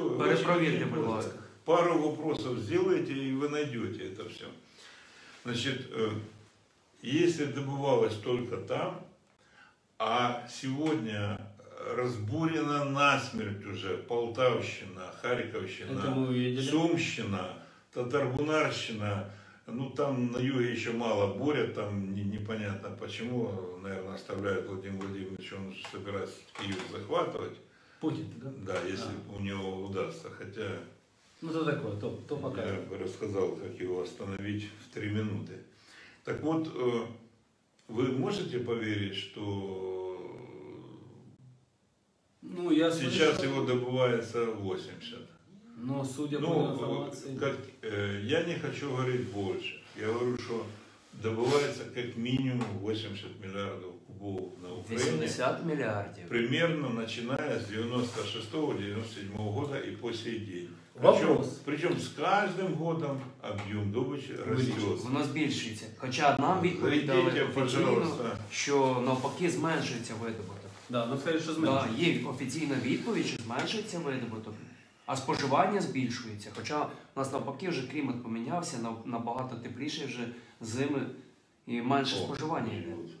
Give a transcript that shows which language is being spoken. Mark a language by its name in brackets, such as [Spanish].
[Ukrainian] перепровірте, будь ласка. Пару вопросів зробите, і ви знайдете це все. Значить, якщо добувалось тільки там, а сьогодні [Russian] разбурена насмерть уже. Полтавщина, Харьковщина, Сумщина, Татарбунарщина. Ну, там на юге еще мало буря, там непонятно почему. Наверное, оставляют Владимир Владимирович, он собирается Киев захватывать. Путин, да? Да, если у него удастся, хотя... Ну, то такое, то пока. Я бы рассказал, как его остановить в 3 минуты. Так вот, вы можете поверить, что... Ну, я сейчас слышу... его добывается 80. Но, судя по информации... Как, я не хочу говорить больше. Я говорю, что добывается как минимум 80 миллиардов кубов на Украине. 80 миллиардов. Примерно начиная с 96-97 года и по сей день. Вопрос. Причем с каждым годом объем добычи растет. [Ukrainian] Воно збільшується. Хоча нам відповідали, що навпаки зменшується видобуток. Да, ну, скажи, що зменшується. Да, є офіційна відповідь, що зменшується видобуток. А споживання збільшується. Хоча у нас навпаки вже клімат помінявся, набагато тепліше вже зими і менше споживання йде.